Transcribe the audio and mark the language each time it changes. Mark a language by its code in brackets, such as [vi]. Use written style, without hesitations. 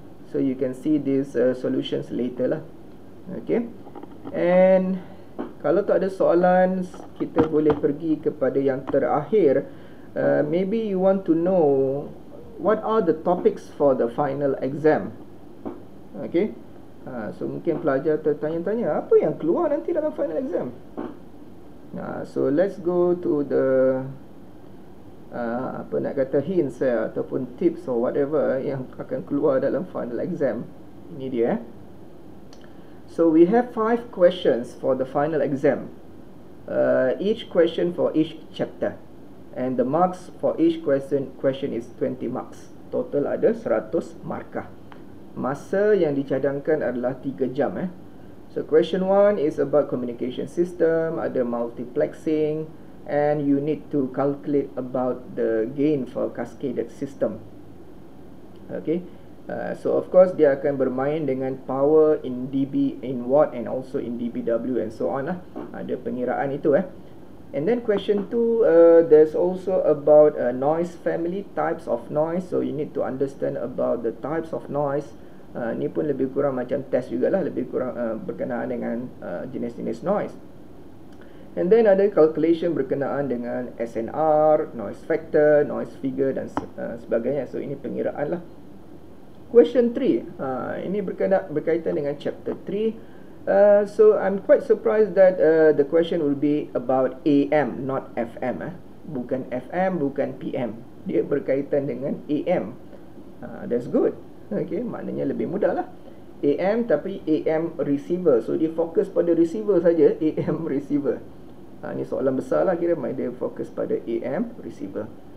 [en] So, you can see these solutions later lah. Okay. [ms] And kalau tak ada soalan, kita boleh pergi kepada yang terakhir. [en] Maybe you want to know what are the topics for the final exam. [ms] Okay. So mungkin pelajar tertanya-tanya apa yang keluar nanti dalam final exam. [en] So let's go to the [ms] apa nak kata [en] hints ya, ataupun tips or whatever [ms] yang akan keluar dalam [en] final exam. [ms] Ini dia. [en] So we have 5 questions for the final exam. Each question for each chapter, and the marks for each question is 20 marks. [ms] Total ada 100 markah. Masa yang dicadangkan adalah 3 jam eh. [en] So question 1 is about communication system, ada multiplexing, and you need to calculate about the gain for cascaded system. Okay, so of course [ms] dia akan bermain dengan [en] power in dB, in watt, and also in dBW and so on lah. [ms] Ada pengiraan itu eh. [en] And then question 2, there's also about a noise family, types of noise. So you need to understand about the types of noise. [ms] Ni pun lebih kurang macam test jugalah, lebih kurang berkenaan dengan jenis-jenis noise. And then ada calculation berkenaan dengan SNR, noise factor, noise figure dan sebagainya. So ini pengiraan lah. Question 3, ini berkaitan dengan chapter 3. [en] So I'm quite surprised that the question will be about AM, not FM eh. [ms] Bukan FM, bukan PM. Dia berkaitan dengan AM. [en] That's good. [ms] Okay, maknanya lebih mudah lah. AM tapi AM receiver. So dia fokus pada receiver saja, AM receiver. Ni soalan besar lah kira, dia fokus pada AM receiver.